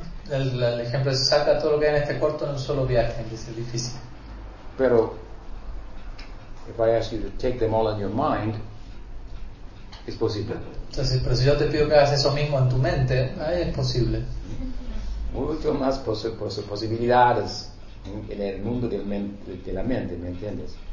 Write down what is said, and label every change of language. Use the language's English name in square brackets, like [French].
[Spanish] El ejemplo es saca todo lo que hay en este cuarto en un solo viaje, es difícil. [English] Pero if I ask you to take them all in your mind, it's possible. [Spanish] Entonces, pero si yo te pido que hagas eso mismo en tu mente, es posible. Mucho más posibilidades en el mundo de la mente, ¿me entiendes?